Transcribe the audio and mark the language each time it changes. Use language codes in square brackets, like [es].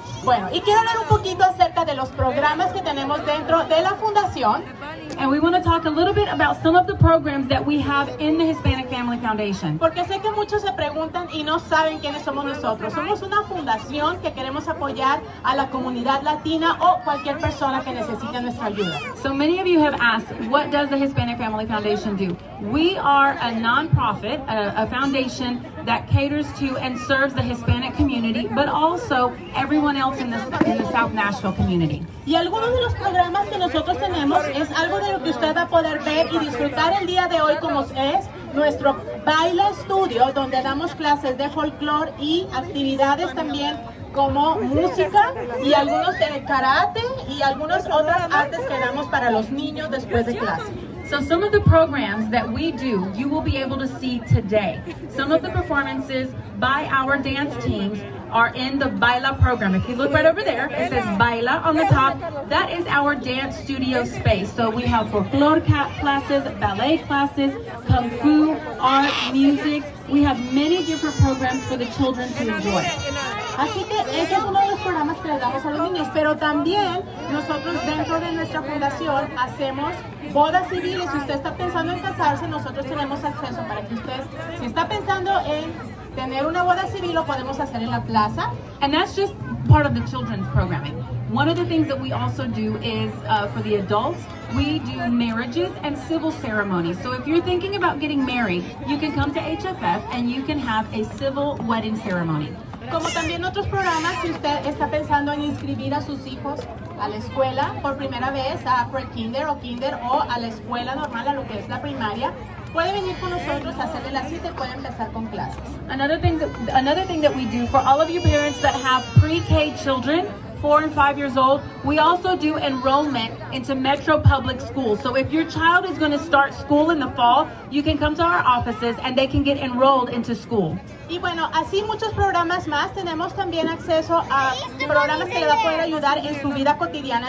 [es] Bueno, y quiero hablar un poquito acerca de los programas que tenemos dentro de la fundación. [en] And we want to talk a little bit about some of the programs that we have in the Hispanic Family Foundation. [es] Porque sé que muchos se preguntan y no saben quiénes somos nosotros. Somos una fundación que queremos apoyar a la comunidad latina o cualquier persona que necesite nuestra ayuda. [en] So many of you have asked, what does the Hispanic Family Foundation do? We are a nonprofit, a foundation that caters to and serves the Hispanic community, but also everyone else in the South Nashville community. [es] Y algunos de los programas que nosotros tenemos es algo de lo que usted va a poder ver y disfrutar el día de hoy, como es nuestro baile estudio, donde damos clases de folclore y actividades también como música y algunos de karate y algunas otras artes que damos para los niños después de clase. [en] So some of the programs that we do, you will be able to see today. Some of the performances by our dance teams are in the Baila program. If you look right over there, it says Baila on the top. That is our dance studio space. So we have folklore classes, ballet classes, kung fu, art, music. We have many different programs for the children to enjoy. [es] Así que ese es uno de los programas que le damos a los niños, pero también nosotros dentro de nuestra fundación hacemos bodas civiles. Si usted está pensando en casarse, nosotros tenemos acceso para que usted, si está pensando en tener una boda civil, lo podemos hacer en la plaza. [en] And that's just part of the children's programming. One of the things that we also do is for the adults, we do marriages and civil ceremonies. So if you're thinking about getting married, you can come to HFF and you can have a civil wedding ceremony. [es] Como también otros programas, si usted está pensando en inscribir a sus hijos a la escuela por primera vez, a pre-kinder o kinder, o a la escuela normal, a lo que es la primaria, puede venir con nosotros a hacerle la cita y puede empezar con clases. [en] Another thing that we do for all of you parents that have pre-K children, 4 and 5 years old, we also do enrollment into Metro Public Schools. So if your child is going to start school in the fall, you can come to our offices and they can get enrolled into school. [es] Y bueno, así muchos programas más. Tenemos también acceso a programas que le va a poder ayudar en su vida cotidiana.